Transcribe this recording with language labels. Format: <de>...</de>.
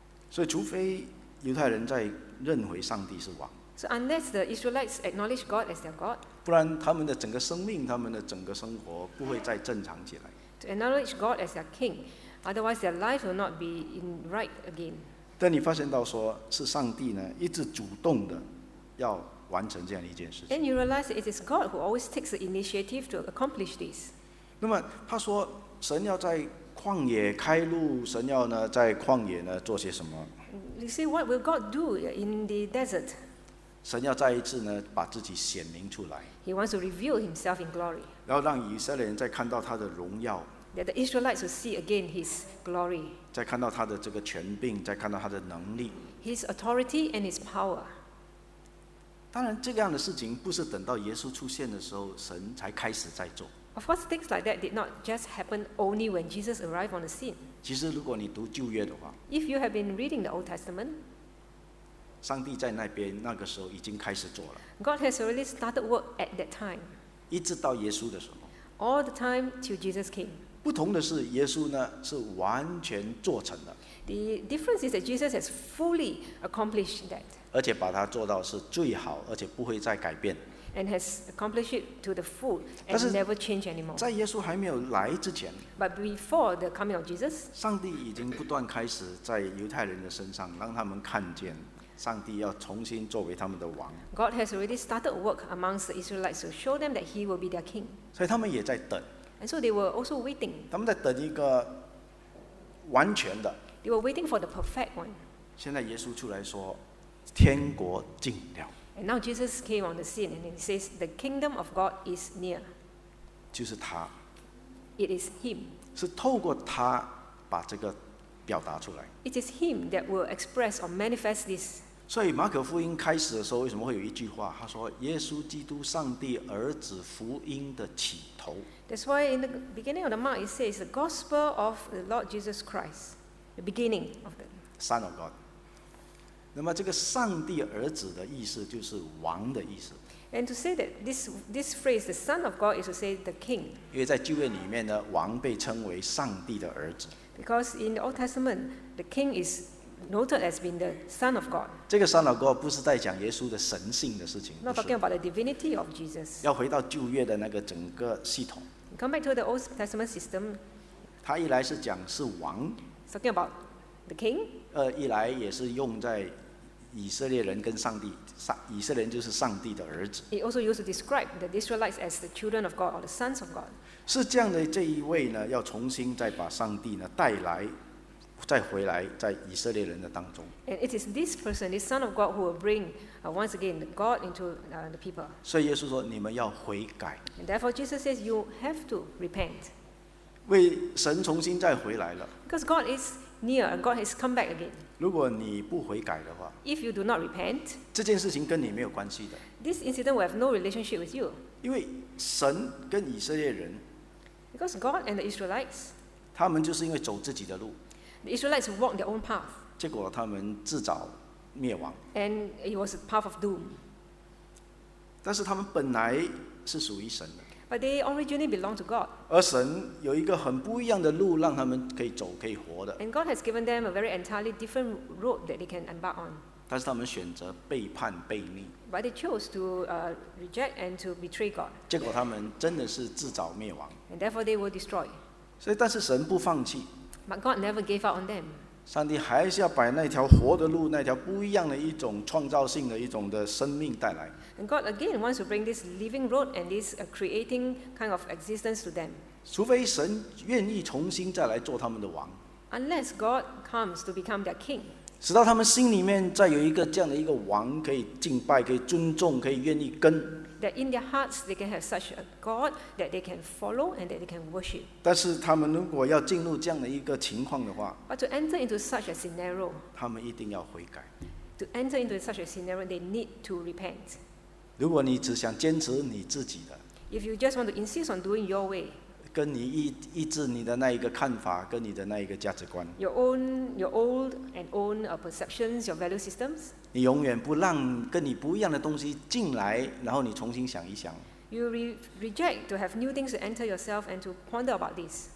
<zh>所以除非犹太人在认回上帝是王。</zh> <en>So unless the Israelites acknowledge God as their God,</en> <zh>不然他们的整个生命，他们的整个生活不会再正常起来。</zh> <en>To acknowledge God as their King, otherwise their life will not be in right again.</en> <zh>但你发现到说是上帝呢，一直主动的要完成这样一件事情。</zh> <en>Then you realize it is God who always takes the initiative to accomplish this.</en> <zh>那么他说神要在旷野开路，神要呢在旷野呢做些什么？</zh> <en>You see, what will God do in the desert?</en> <zh>神要再一次呢，把自己显明出来。</zh> <en>He wants to reveal himself in glory.</en> <zh>然后让以色列人再看到他的荣耀。</zh> <en>That the Israelites will see again his glory.</en> <zh>再看到他的这个权柄，再看到他的能力。</zh> <en>His authority and his power.</en> <zh>当然，这样的事情不是等到耶稣出现的时候，神才开始在做。</zh> <en>Of course, things like that did not just happen only when Jesus arrived on the scene.</en> <zh>其实如果你读旧约的话，</zh> <en>If you have been reading the Old Testament,</en> <zh>上帝在那边那个时候已经开始做了。</zh> <en>God has already started work at that time.</en> <zh>一直到耶稣的时候。</zh> <en>All the time till Jesus came.</en> <zh>不同的是，耶稣呢是完全做成的。</zh> <en>The difference is that Jesus has fully accomplished that.</en> <zh>而且把它做到是最好，而且不会再改变。</zh> <en>And has accomplished it to the full and never change anymore.</en> <zh>在耶稣还没有来之前，</zh> <en>But before the coming of Jesus,</en> <zh>上帝已经不断开始在犹太人的身上让他们看见上帝要重新作为他们的王。</zh> <en>God has already started work amongst the Israelites to show them that he will be their king.</en> <zh>所以他们也在等。</zh> <en>And so they were also waiting.</en> <zh>他们在等一个完全的。</zh> <en>They were waiting for the perfect one.</en> <zh>现在耶稣出来说，天国近了。</zh> <en>And now Jesus came on the scene and he says the kingdom of God is near.</en> <zh>就是他。</zh> <en>It is him.</en> <zh>是透过他把这个表达出来。</zh> <en>It is him that will express or manifest this.</en> <zh>所以马可福音开始的时候为什么会有一句话，他说耶稣基督上帝儿子福音的起头。</zh> <en>That's why in the beginning of the Mark it says the gospel of the Lord Jesus Christ, the beginning of the Son of God.</en> <zh>那么这个上帝儿子的意思就是王的意思。</zh> <en>And to say that this phrase, the Son of God, is to say the King.</en> <zh>因为在旧约里面呢，王被称为上帝的儿子。</zh> <en>Because in the Old Testament, the King is noted as being the Son of God.</en> <zh>这个</zh> <en>Son of God</en> <zh>不是在讲耶稣的神性的事情。</zh> <en>Not talking about the divinity of Jesus.</en> <zh>要回到旧约的那个整个系统。</zh> <en>Come back to the Old Testament system.</en> <zh>他一来是讲是王。</zh> <en>Talking about the King.</en> <zh>一来也是用在以色列人跟上帝，以色列人就是上帝的儿子。</zh> <en>It also used to describe the Israelites as the children of God or the sons of God.</en> <zh>是这样的，这一位呢，要重新再把上帝呢带来，再回来在以色列人的当中。</zh> <en>And it is this person, this son of God, who will bring once again God into the people.</en> <zh>所以耶稣说，你们要悔改。</zh> <en>And therefore Jesus says you have to repent.</en> <zh>为神重新再回来了。</zh> <en>Because God is near, God has come back again.</en> <zh>如果你不悔改的话，</zh> <en>if you do not repent,</en> <zh>这件事情跟你没有关系的。</zh> <en>This incident will have no relationship with you.</en> <zh>因为神跟以色列人，</zh> <en>because God and the Israelites,</en> <zh>他们就是因为走自己的路，</zh> <en>the Israelites walked their own path.</en> <zh>结果他们自找灭亡，</zh> <en>and it was a path of doom.</en> <zh>但是他们本来是属于神的。</zh> <en>But they originally belong to God.</en> <zh>而神有一个很不一样的路让他们可以走可以活的。</zh> <en>And God has given them a very entirely different road that they can embark on.</en> <zh>但是他们选择背叛背逆。</zh> <en>But they chose to reject and to betray God.</en> <zh>结果他们真的是自找灭亡。</zh> <en>And therefore they were destroyed.</en> <zh>所以但是神不放弃。</zh> <en>But God never gave up on them.</en> <zh>上帝还是要把那条活的路，那条不一样的一种创造性的一种的生命带来。</zh> <en>And God again wants to bring this living road and this creating kind of existence to them.</en> <zh>除非神愿意重新再来做他们的王。</zh> <en>Unless God comes to become their king.</en> <zh>使到他们心里面再有一个这样的一个王可以敬拜，可以尊重，可以愿意跟。</zh> <en>That in their hearts they can have such a God that they can follow and that they can worship.</en> <zh>但是他们如果要进入这样的一个情况的话，</zh> <en>But to enter into such a scenario,</en> <zh>他们一定要悔改。</zh> <en>To enter into such a scenario, they need to repent.</en> <zh>如果你只想坚持你自己的，</zh> <en>If you just want to insist on doing your way,</en> <zh>跟你一致你的那一个看法，跟你的那一个价值观，</zh> <en>Your old perceptions, your value systems,</en> <zh>你永远不让跟你不一样的东西进来，然后你重新想一想。</zh> <en>You reject to have new things to enter yourself and to ponder about this.</en>